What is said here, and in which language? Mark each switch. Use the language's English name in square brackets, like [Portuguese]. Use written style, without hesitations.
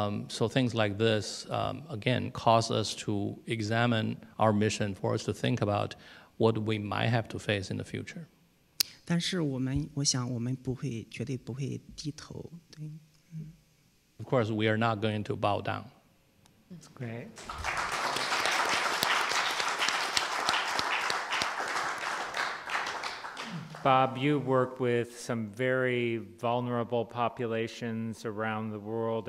[English] So things like this, again, cause us to examine our mission, for us to think about what we might have to face in the future. [Chinese] 但是我想我们绝对不会低头，对。 [English] Of course, we are not going to bow down. That's great. Bob, you work with some very vulnerable populations around the world.